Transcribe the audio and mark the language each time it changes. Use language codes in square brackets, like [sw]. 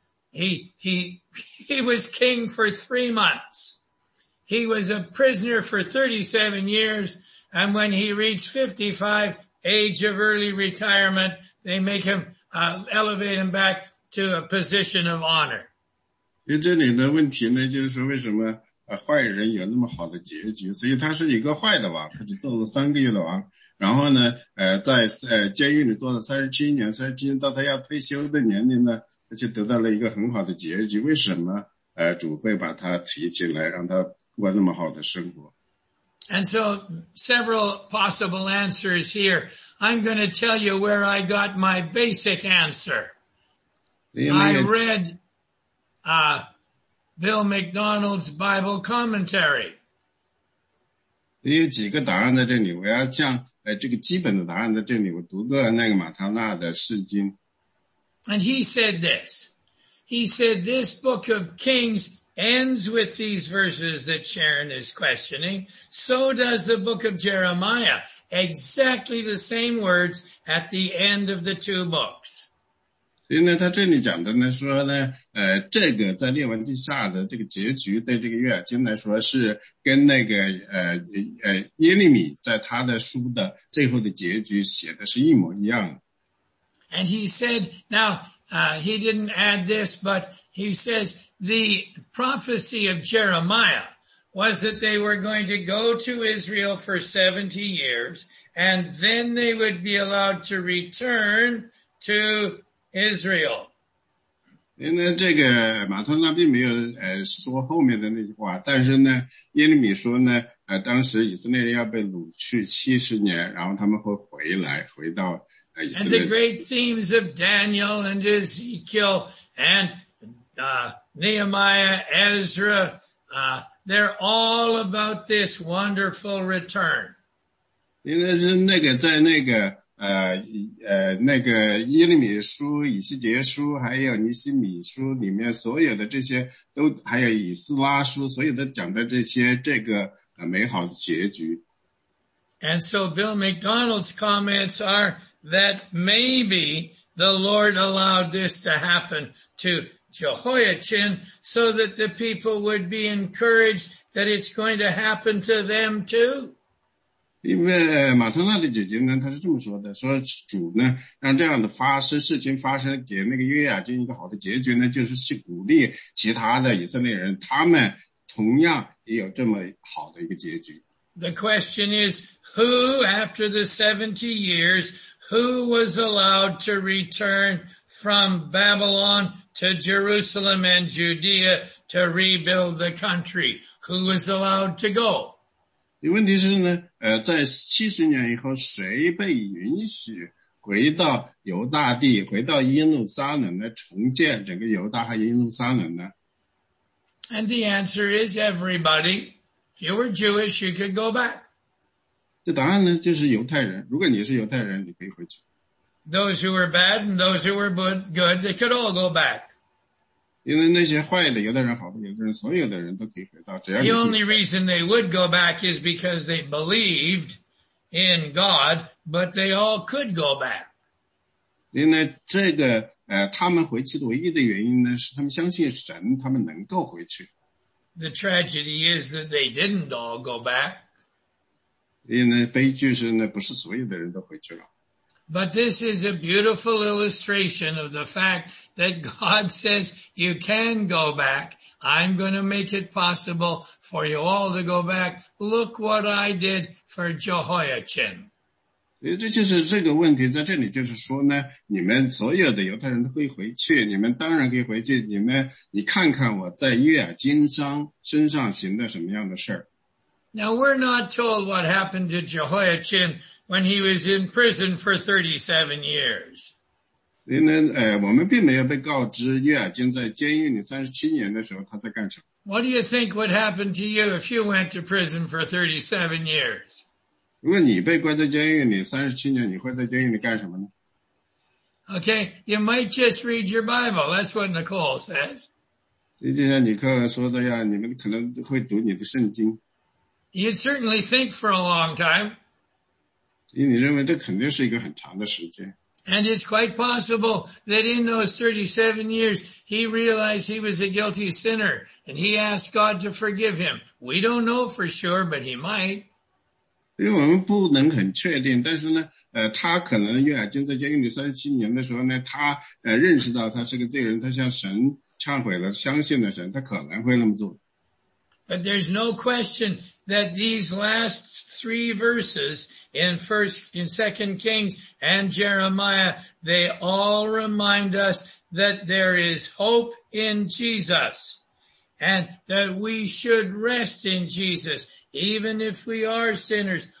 [en] He was king for 3 months. He was a prisoner for 37 years. And when he reached 55, age of early retirement, they make him, elevate him back to a position of honor. [zh] 所以这里的问题呢，就是说为什么坏人有那么好的结局？所以他是一个坏的王，他就做了3个月的王，然后呢，在监狱里做了37年，37年到他要退休的年龄呢，他就得到了一个很好的结局。为什么主会把他提起来，让他过那么好的生活 [en] ？And so several possible answers here. I'm going to tell you where I got my basic answer. I read Bill McDonald's Bible commentary. [zh] 有几个答案在这里，我要像这个基本的答案在这里，我读个那个马太纳的释经。 [en] And he said this. He said this book of Kings ends with these verses that Sharon is questioning. So does the book of Jeremiah. Exactly the same words at the end of the two books. [zh] 所以呢，他这里讲的呢，说呢，这个在列王记下的这个结局，对这个约雅敬来说，是跟那个耶利米在他的书的最后的结局写的是一模一样。 [en] And he said, now, he didn't add this, but he says the prophecy of Jeremiah was that they were going to go to Israel for 70 years, and then they would be allowed to return to Israel. [zh] 因为这个马太纳并没有说后面的那句话，但是呢耶利米说呢当时以色列人要被掳去70年，然后他们会回来回到以色列。 [en] And the great themes of Daniel and Ezekiel and, Nehemiah, Ezra, they're all about this wonderful return. [zh] 因为是那个在那个那个耶利米书、以西结书还有尼西米书里面所有的这些都还有以斯拉书所有的讲的这些这个美好的结局。 [en] And so Bill McDonald's comments are that maybe the Lord allowed this to happen to Jehoiachin so that the people would be encouraged that it's going to happen to them too. [zh] 因为马特纳的姐姐呢，她是这么说的，说主呢让这样的事情发生，给那个约雅敬一个好的结局呢，就是去鼓励其他的以色列人，他们同样也有这么好的一个结局。 [en] The question is, who after the 70 years, who was allowed to return from Babylon to Jerusalem and Judea to rebuild the country. Who is allowed to go? [zh] 问题是呢，在七十年以后，谁被允许回到犹大地，回到耶路撒冷呢？重建整个犹大和耶路撒冷呢 [en] ？And the answer is everybody. If you were Jewish, you could go back. [zh] 这答案呢，就是犹太人。如果你是犹太人，你可以回去。 [en] Those who were bad and those who were good, they could all go back. [zh] 因为那些坏的犹太人、好的犹太人，所有的人都可以回到。只要你是。 [en] The only reason they would go back is because they believed in God, but they all could go back. [zh] 因为这个他们回去的唯一的原因呢，是他们相信神，他们能够回去。 [en] The tragedy is that they didn't all go back. [zh] 因为悲剧是呢，不是所有的人都回去了。 [en] But this is a beautiful illustration of the fact that God says you can go back. I'm going to make it possible for you all to go back. Look what I did for Jehoiachin. [zh] 这就是这个问题，在这里就是说呢，你们所有的犹太人都可以回去，你们当然可以回去，你看看我在约雅金商身上行的什么样的事。 [en] Now we're not told what happened to Jehoiachin when he was in prison for 37 years. [zh] 因为我们并没有被告知约雅金在监狱里37年的时候他在干什么。 [en] What do you think would happen to you if you went to prison for 37 years? [zh] 如果你被关在监狱里37年，你会在监狱里干什么呢？ [en] Okay, you might just read your Bible. That's what Nicole says. [zh] 就像尼克说的呀，你们可能会读你的圣经。 [en] You'd certainly think for a long time. [zh] 因为你认为这肯定是一个很长的时间。 [en] And it's quite possible that in those 37 years, he realized he was a guilty sinner, and he asked God to forgive him. We don't know for sure, but he might. [zh] 因为我们不能很确定，但是呢，他可能约雅金在监狱里37年的时候呢，他认识到他是个罪人，他向神忏悔了，相信了神，他可能会那么做。 [en] But there's no question that these last three verses in 2 Kings and Jeremiah, they all remind us that there is hope in Jesus and that we should rest in Jesus, even if we are sinners.